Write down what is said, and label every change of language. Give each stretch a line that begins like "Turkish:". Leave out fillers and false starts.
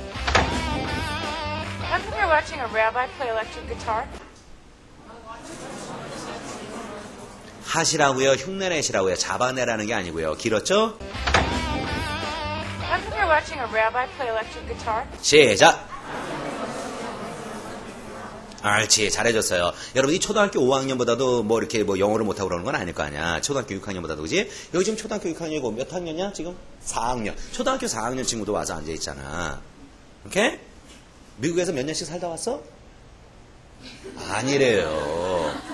English: How come you're watching a rabbi play electric guitar?
Korean: 하시라고요, 흉내내시라고요, 잡아내라는 게 아니고요, 길었죠?
English: How come you're watching a rabbi play electric guitar?
Korean: 시작! 알지, 잘해줬어요. 여러분, 이 초등학교 5학년보다도 뭐 이렇게 뭐 영어를 못하고 그러는 건 아닐 거 아니야. 초등학교 6학년보다도, 그지? 여기 지금 초등학교 6학년이고 몇 학년이야, 지금? 4학년. 초등학교 4학년 친구도 와서 앉아있잖아. 오케이? 미국에서 몇 년씩 살다 왔어? 아니래요.